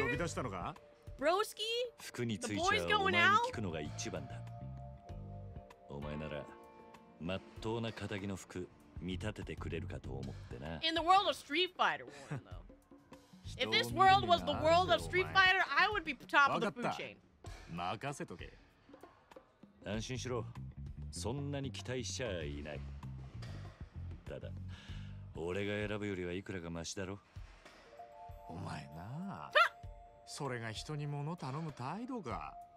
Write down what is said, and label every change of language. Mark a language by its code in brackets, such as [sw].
[ja] で俺のことを呼び出したのか? [en] Broski? [ja] 服についちゃお前に聞くのが一番だ。お前なら。真っ当な肩着の服見立ててくれるかと思ってな。 [en] In the world of Street Fighter, though. If this world was the world of Street Fighter, I would be top of the food chain. [ja] 任せとけ。安心しろ。そんなに期待しちゃいない。ただ、俺が選ぶよりはいくらがマシだろ。お前な。それが人に物頼む態度か。